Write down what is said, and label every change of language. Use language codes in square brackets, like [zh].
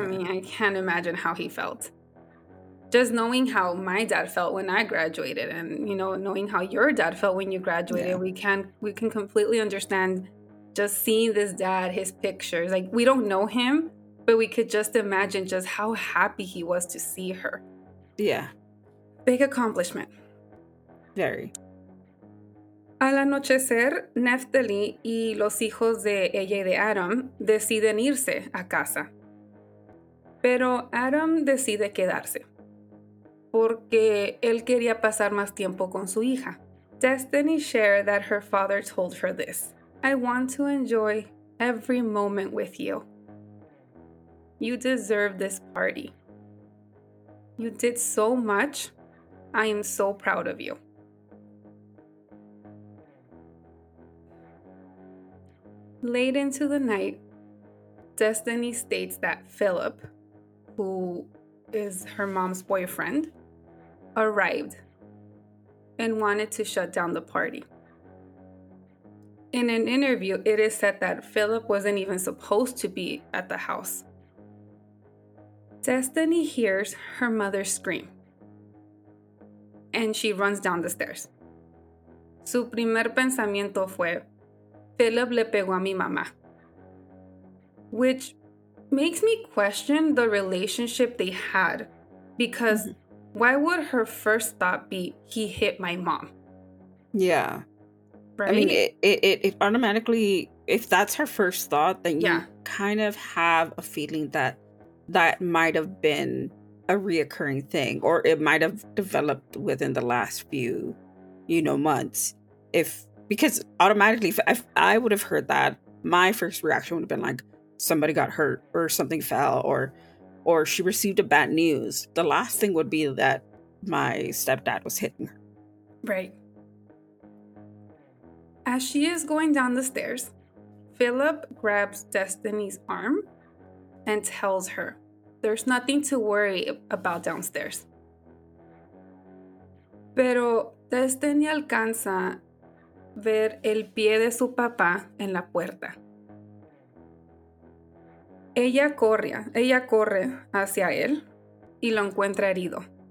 [en] I mean, I can't imagine how he felt. Just knowing how my dad felt when I graduated, and you know, knowing how your dad felt when you graduated, we can completely understand. Just seeing this dad, his pictures, we don't know him, but we could just imagine just how happy he was to see her. Yeah. Big accomplishment. Very. [es] Al anochecer, Neftali y los hijos de ella y de Adam deciden irse a casa. Pero Adam decide quedarse, porque él quería pasar más tiempo con su hija. [en] Destiny shared that her father told her this: "I want to enjoy every moment with you. You deserve this party. You did so much. I am so proud of you." Late into the night, Destiny states that Philip, who is her mom's boyfriend, arrived and wanted to shut down the party. In an interview, it is said that Philip wasn't even supposed to be at the house. Destiny hears her mother scream, and she runs down the stairs. [es] Su primer pensamiento fue, "Philip le pegó a mi mamá." [en] Which makes me question the relationship they had, because why would her first thought be, "He hit my mom"? Yeah. Right? I mean, it automatically, if that's her first thought, then you kind of have a feeling that that might have been a reoccurring thing, or it might have developed within the last few, months. Because automatically, if I would have heard that, my first reaction would have been somebody got hurt or something fell, or she received a bad news. The last thing would be that my stepdad was hitting her. Right. As she is going down the stairs, Philip grabs Destiny's arm and tells her, "There's nothing to worry about downstairs." [es] Pero Destiny alcanza ver el pie de su papá en la puerta. Ella corre hacia él y lo encuentra herido.